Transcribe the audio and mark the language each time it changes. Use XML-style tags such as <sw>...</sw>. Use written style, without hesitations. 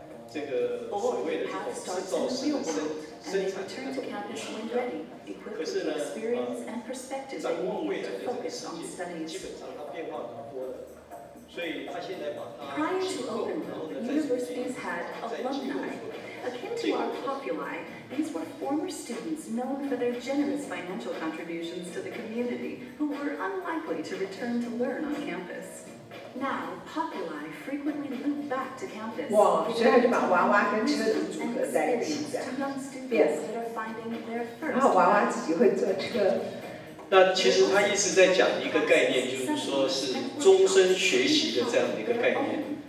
<zh>这个所谓的这种制造生产生产的这种模式一样，可是呢，掌握未来的这个世界，基本上它变化很多的，所以他现在把它机构，然后呢，在这些在机构说。</zh> <en>Akin to our populi, these were former students known for their generous financial contributions to the community, who were unlikely to return to learn on campus. Now, populi frequently loop back to campus.</en> <zh>哇，现在就把娃娃跟车子组合在一起了。然后娃娃自己会坐车。那其实他一直在讲一个概念，就是说是终身学习的这样的一个概念。</zh>